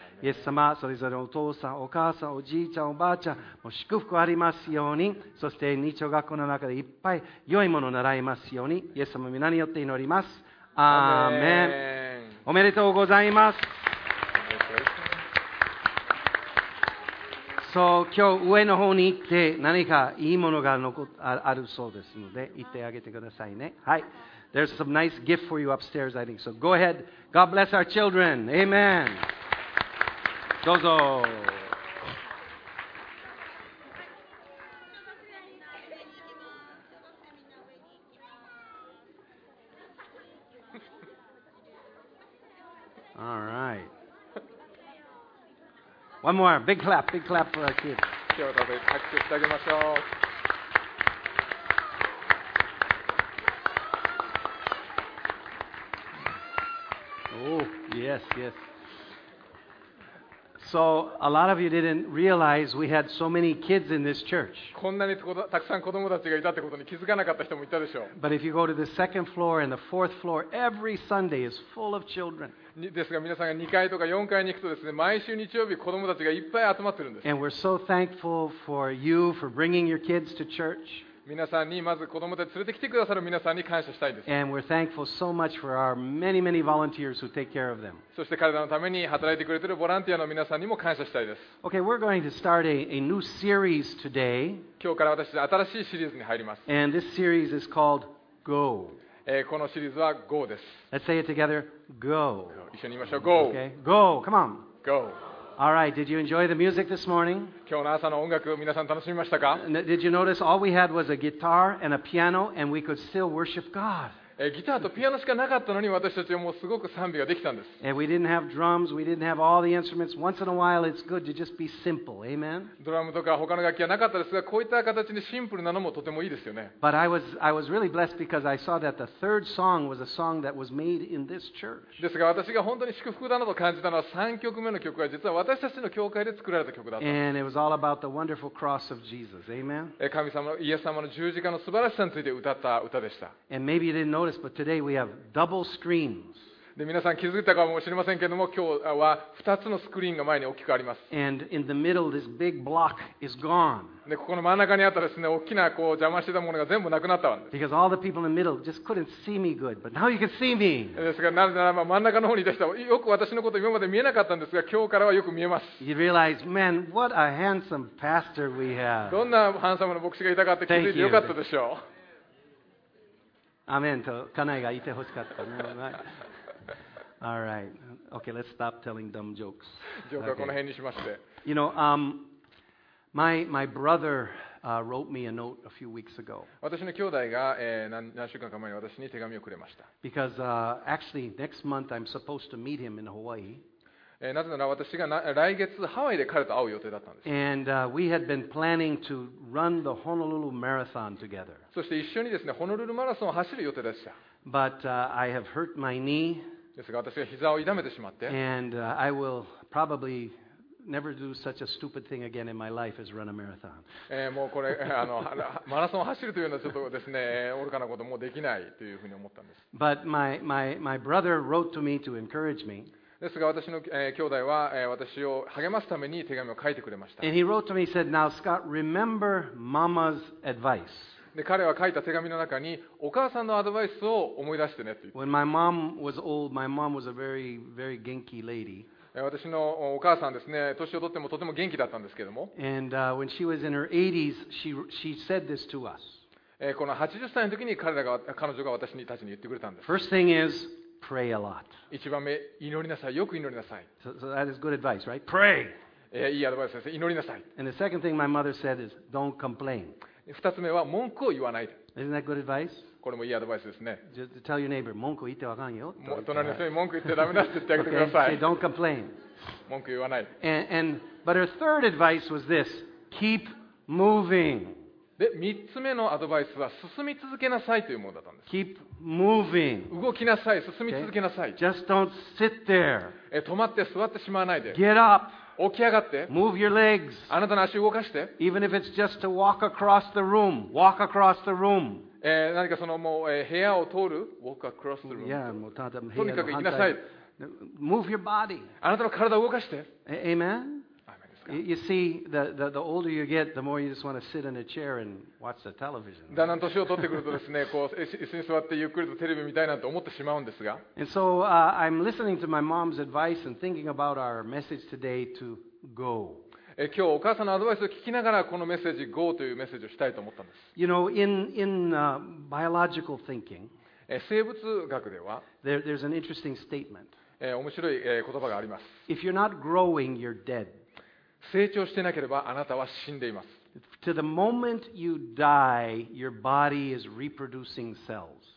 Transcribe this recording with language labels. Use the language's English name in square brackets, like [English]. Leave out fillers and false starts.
[Japanese] イエス様、それぞれお父さん、お母さん、おじいちゃん、おばあちゃん、もう祝福ありますように、そして日朝学校の中でいっぱい良いものを習いますように、イエス様、皆によって祈ります。アーメン。おめでとうございます。そう、今日上の方に行って何かいいものが残あるそうですので、行ってあげてくださいね。はい。 [English] There's some nice gift for you upstairs, I think. So go ahead. God bless our children. Amen. [Japanese] どうぞ。 [English] All right. One more. Big clap for our kids. [Japanese] 今日は拍手してあげましょう。 [English] Oh, yes, yes. So a lot of you didn't realize we had so many kids in this church. [Japanese] こんなにたくさん子供たちがいたってことに気づかなかった人もいたでしょう。 [English] But if you go to the second floor and the fourth floor, every Sunday is full of children. [Japanese] ですが皆さんが2階とか4階に行くとですね、毎週日曜日子供たちがいっぱい集まってるんです。 [English] And we're so thankful for you for bringing your kids to church. [Japanese] 皆さんにまず子どもたち連れてきてくださる皆さんに感謝したいんです。 [English] And we're thankful so much for our many, many volunteers who take care of them. [Japanese] そして彼らのために働いてくれているボランティアの皆さんにも感謝したいです。 [English] Okay, we're going to start a new series today. [Japanese] 今日から私新しいシリーズに入ります。 [English] And this series is called Go. [Japanese] このシリーズは Go です。 [English] Let's say it together. Go. [Japanese] 一緒に言いましょう。Go. [English] Okay. Go. Come on. Go. All right, did you enjoy the music this morning? [Japanese] 今日の朝の音楽、皆さん楽しみましたか? [English] Did you notice all we had was a guitar and a piano and we could still worship God? [Japanese] ギターとピアノしかなかったのに私たちはもうすごく賛美ができたんです。 [English] And we didn't have drums, we didn't have all the instruments. Once in a while it's good to just be simple, amen? [Japanese] ドラムとか他の楽器はなかったですが、こういった形にシンプルなのもとてもいいですよね。 [English] But I was really blessed because I saw that the third song was a song that was made in this church. [Japanese] ですが私が本当に祝福だなと感じたのは3曲目の曲は実は私たちの教会で作られた曲だった。 [English] And it was all about the wonderful cross of Jesus, amen? [Japanese] 神様のイエス様の十字架の素晴らしさについて歌った歌でした。 [English] And maybe you didn't notice, but today we have double screens. [Japanese] で皆さん気づいたかもしれませんけれども、今日は2つのスクリーンが前に大きくあります。 [English] And in the middle, this big block is gone. [Japanese] でここの真ん中にあったですね、大きなこう邪魔してたものが全部なくなったわけです。 [English] Because all the people in the middle just couldn't see me good, but now you can see me. [Japanese] ですからなぜならば真ん中の方にいた人はよく私のこと今まで見えなかったんですが、今日からはよく見えます。 [English] You realize, man, what a handsome pastor we have. [Japanese] どんなハンサムな牧師がいたかって気づいてよかったでしょう。アメンと家内がいてほしかった。なるほど。 [English] All right. Okay, let's stop telling dumb jokes. [Japanese] ジョークはこの辺にしまして。 [English] You know, my brother wrote me a note a few weeks ago. [Japanese] 私の兄弟が何週間か前に私に手紙をくれました。 [English] Because actually next month I'm supposed to meet him in Hawaii. [Japanese] なぜなら私が来月ハワイで彼と会う予定だったんです。 [English] And we had been planning to run the Honolulu Marathon together. [Japanese] そして一緒にですね、ホノルルマラソンを走る予定でした。 [English] But I have hurt my knee. [Japanese] ですが私が膝を痛めてしまって、 [English] And, I will probably never do such a stupid thing again in my life as run a marathon. [Japanese] もうこれマラソンを走るというのはちょっとですね、愚かなこともうできないというふうに思ったんです。 [English] But my brother wrote to me to encourage me. [Japanese] ですが私の兄弟は私を励ますために手紙を書いてくれました。 [English] And he wrote to me, said, "Now, Scott, remember Mama's advice." [Japanese] で彼は書いた手紙の中にお母さんのアドバイスを思い出してねと言って。 [English] When my mom was old, [Japanese] 私のお母さんですね、年を取ってもとても元気だったんですけども。 [English] And when she was in her 80s, she said this to us. [Japanese] この80歳の時に彼女が私たちに言ってくれたんです。 [English] First thing is pray a lot. [Japanese] 一番目、祈りなさい、よく祈りなさい。 [English] So that is good advice, right? Pray. [Japanese] いいアドバイスですね。祈りなさい。 [English] And the second thing my mother said is don't complain. [Japanese] 二つ目は文句を言わない。 [English] Isn't that good advice? [Japanese] これもいいアドバイスですね。 [English] Just tell your neighbor, [Japanese] 文句言ってはあかんよ。隣の人に文句言ってダメだって言ってあげてください。 [English] Okay, don't complain. [Japanese] 文句言わない。 [English] But her third advice was this, keep moving. [Japanese] で、三つ目のアドバイスは進み続けなさいというものだったんです。 [English] Keep moving. [Japanese] 動きなさい、進み続けなさい。 [English] Okay? Just don't sit there. [Japanese] 止まって座ってしまわないで。 [English] Get up. [Japanese] 起き上がって、 [English] Move your legs. [Japanese] あなたの足を動かして、 [English] Even if it's just to walk across the room, walk across the room. [Japanese] 何かそのもう、部屋を通る、 [English] walk across the room. [Japanese] Yeah, もうただ部屋の反対。とにかく行きなさい。 [English] Move your body. [Japanese] あなたの体を動かして。 [English] Amen. Amen. You see, the older you get, the more you just want to sit in a chair and watch the television. [Japanese] だんだん年を取ってくるとですね、こう椅子に座ってゆっくりとテレビ見たいなと思ってしまうんですが。 [English] And so I'm listening to my mom's advice and thinking about our message today to go. [Japanese] 今日お母さんのアドバイスを聞きながらこのメッセージ go というメッセージをしたいと思ったんです。 [English] You know, in biological thinking, [Japanese] 生物学では、 [English] there's an interesting statement. [Japanese] 面白い言葉があります。 [English] If you're not growing, you're dead. [Japanese] 成長してなければあなたは死んでいます。 [English] To the moment you die, your body is reproducing cells.